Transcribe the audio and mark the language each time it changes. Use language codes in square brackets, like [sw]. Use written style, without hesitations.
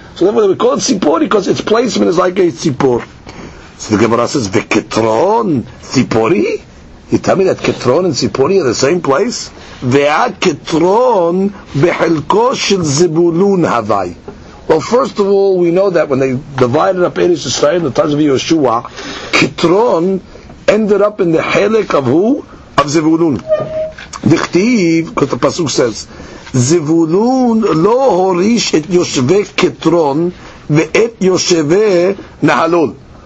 [en] So therefore they call it ציפורי, because its placement is like a ציפור. So the Gemara says, [he] וכתרון ציפורי? [en] You tell me that כתרון and ציפורי are the same place? [he] והכתרון בחלקו של זבולון הווי. [en] Well, first of all, we know that when they divided up Eretz Yisrael in the times of Yeshua, Kitron ended up in the Helek of who? Of Zivulun. Dichtiv, because the Pasuk says, [he] Zivulun lo horish et yoshve Kitron ve'et yoshve Nahalul.